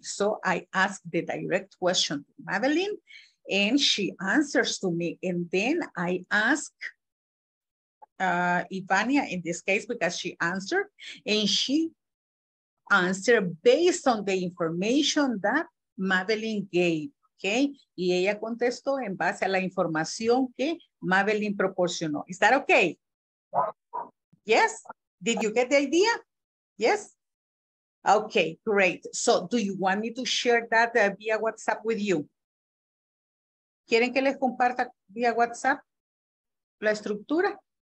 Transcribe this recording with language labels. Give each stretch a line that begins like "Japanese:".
English: So I ask the direct question to Madeline, and she answers to me. And then I ask Ivania, in this case, because she answered, and she answered based on the information that Madeline gave.
Spanish: Okay, y ella contestó en base a la información que Madeline proporcionó.
English: Is that okay? Yes? Did you get the idea? Yes? Okay, great. So, do you want me to share that via WhatsApp with you?
Spanish: ¿Quieren que les comparta via WhatsApp la estructura?